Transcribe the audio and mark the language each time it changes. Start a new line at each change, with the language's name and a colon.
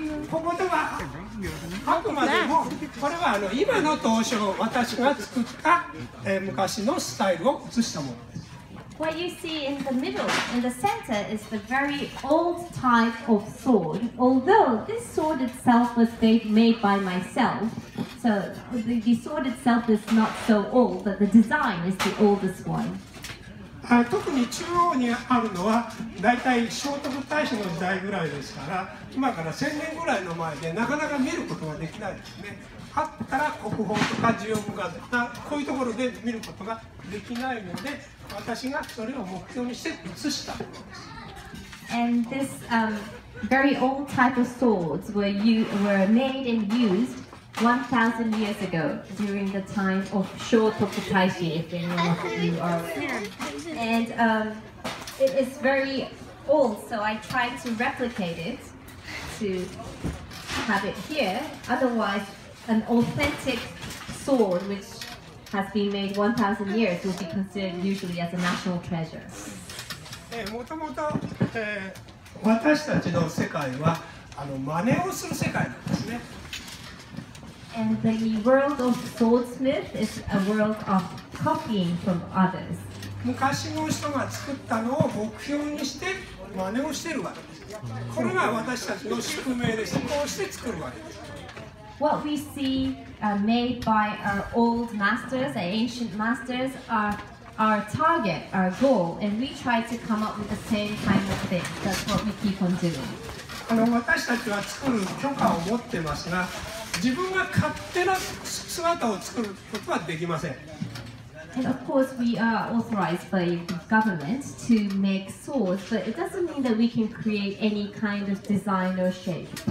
Japanese: ここでは、あくまでも、これは今の刀匠、私が作った昔のスタイルを写したものです。
English: What you see in the middle, in the center, is the very old type of sword. Although this sword itself was made by myself, so the sword itself is not so old, but the design is the oldest one.
Japanese: 特に中央にあるのは、だいたい聖徳太子の時代ぐらいですから、今から1000年ぐらいの前でなかなか見ることができないですね。あったら国宝とか重要文化財とか、こういうところで見ることができないので、私がそれを目標にして写したものです。
English: And this very old type of swords were made and used 1,000 years ago during the time of Shōtoku Taishi, if anyone of you are aware. And it is very old, so I tried to replicate it to have it here. Otherwise, an authentic sword which has been made 1,000 years would be considered usually as a national treasure.
Japanese: もともと私たちの世界は真似をする世界なんですね。
English: And the world of swordsmith is a world of copying from others.
Japanese: 昔の人が作ったのを目標にして真似をしているわけです。これが私たちの宿命で思考して作るわけです。
English: What we see made by our old masters, our ancient masters, areOur target, our goal, and we try to come up with the same kind of thing. That's what we keep on doing.
Japanese: 私たちは作る許可を持ってますが、自分が勝手な姿を作ることはできません。
English: And of course, we are authorized by the government to make swords, but it doesn't mean that we can create any kind of design or shape.